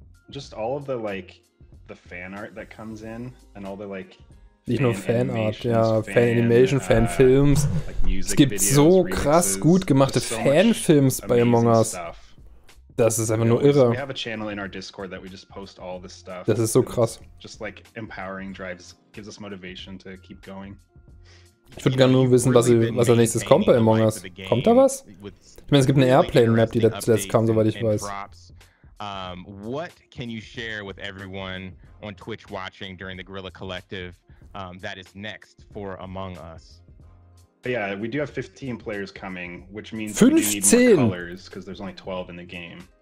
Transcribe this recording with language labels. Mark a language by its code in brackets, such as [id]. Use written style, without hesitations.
[en] Just all of the like the fan art that comes in and all the like [de] nicht nur Fan Art, ja, Fan Animation, Fan Films. Es gibt so krass gut gemachte Fanfilms bei Among Us. Das ist einfach nur irre. [en] We have a channel in our Discord that we just post all this stuff. [de] Das ist so krass. [en] Just like empowering drives gives us motivation to keep going. [de] Ich würde gerne nur wissen, was als nächstes kommt bei Among Us. Kommt da was? Ich meine, es gibt eine Airplane Map, die zuletzt kam, soweit ich weiß. [en] What can you share with everyone on Twitch watching during the Guerrilla Collective that is next for Among Us? Yeah, we do have 15 players coming, which means 15. We do need more colors because there's only 12 in the game.